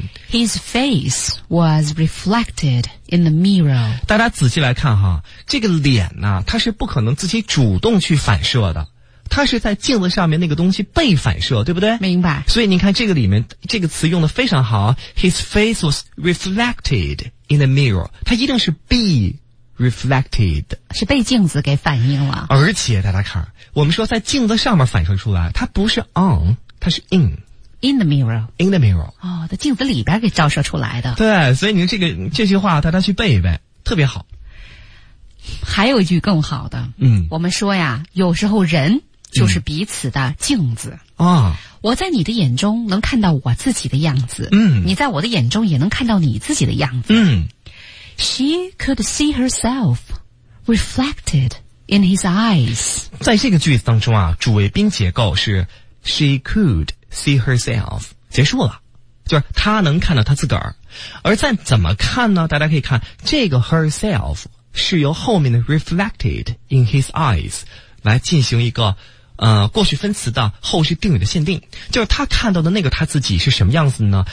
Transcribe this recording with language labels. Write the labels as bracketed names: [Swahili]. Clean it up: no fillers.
[English] His face was reflected in the mirror。 [Chinese] 大家仔细来看哈，这个脸呢，它是不可能自己主动去反射的，它是在镜子上面那个东西被反射，对不对？明白。所以你看这个里面这个词用的非常好， His face was reflected in the mirror，它一定是 be reflected，是被镜子给反映了。而且大家看，我们说在镜子上面反射出来，它不是 on， 它是 in。 [English] In the mirror， in the mirror， [Chinese] 在镜子里边给照射出来的。对，所以你这个这句话大家去背一背，特别好。还有一句更好的，我们说呀，有时候人就是彼此的镜子。我在你的眼中能看到我自己的样子，你在我的眼中也能看到你自己的样子。 [English] She could see herself reflected in his eyes。 [Chinese] 在这个句子当中啊，主谓宾结构是 She could see herself，结束了，就是她能看到她自个儿。而在怎么看呢，大家可以看这个 herself 是由后面的 reflected in his eyes 来进行一个过去分词的后续定语的限定，就是他看到的那个他自己是什么样子呢？